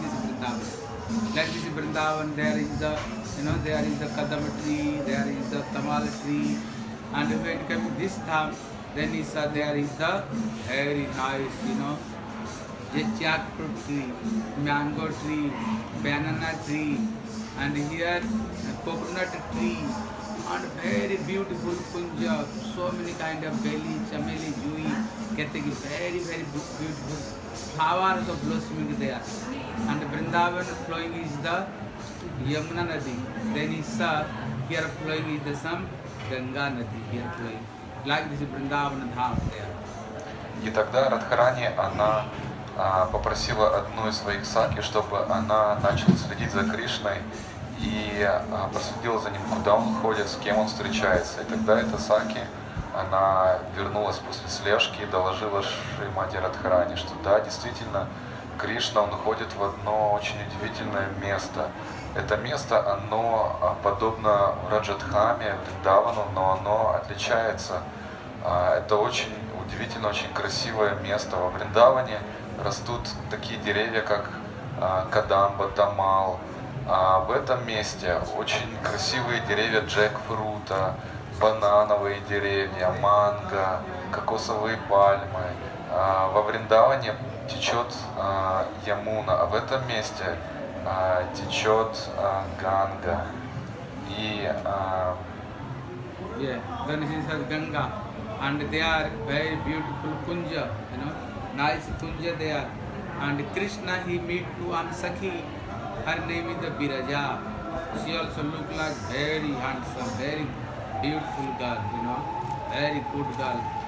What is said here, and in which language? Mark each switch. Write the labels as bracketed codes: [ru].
[en] Like this Vrindavan, there is the, you know, there is the katha tree, there is the tamal tree, and when it came to this dham, then he saw there is the very nice, you know, jackfruit tree, mango tree, banana tree, and here coconut tree, and very beautiful punja, so many kind of belly, chameli, jui, kethegi, very very beautiful flowers of blossoming there. And Vrindavan flowing is the Yamuna Nadi. Then he saw here flowing is the some Ganga Nadi here flowing. Like this Vrindavan Dham there. [ru] И тогда Радхарани, она попросила одну из своих сакхи, чтобы она начала следить за Кришной и проследила за ним, куда он ходит, с кем он встречается. И тогда эта сакхи, она вернулась после слежки и доложила Шримати Радхарани, что да, действительно, Кришна, он ходит в одно очень удивительное место. Это место, оно подобно Раджадхаме, Вриндавану, но оно отличается. Это очень удивительно, очень красивое место. Во Вриндаване растут такие деревья, как Кадамба, Тамал. А в этом месте очень красивые деревья джекфрута, банановые деревья, манго, кокосовые пальмы. Во Вриндаване течет Ямуна, а в этом месте течет Ганга. И [en] yeah, then it is Ganga, and they are very beautiful punja, you know, nice punja they are. And Krishna he meet to one Sakhi, her name is the Viraja. She also look like very handsome, very beautiful girl, you know, very good girl.